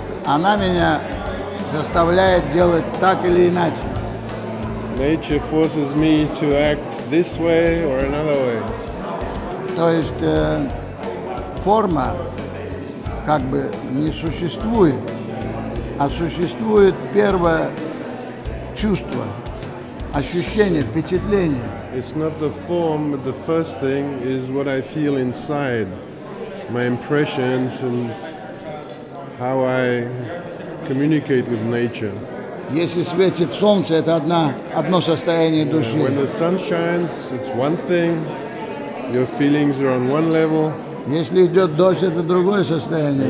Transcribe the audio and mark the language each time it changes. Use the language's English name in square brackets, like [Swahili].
[Russian] Она меня заставляет делать так или иначе. [English] Nature forces me to act this way or another way. [Russian] То есть форма как бы не существует, а существует первое чувство, ощущение, впечатление. [English] It's not the form, but the first thing is what I feel inside, my impressions and how I communicate with nature. [Russian] Если светит солнце, это одно состояние души. [English] When the sun shines, it's one thing. Your feelings are on one level. [Russian] Если идет дождь, это другое состояние.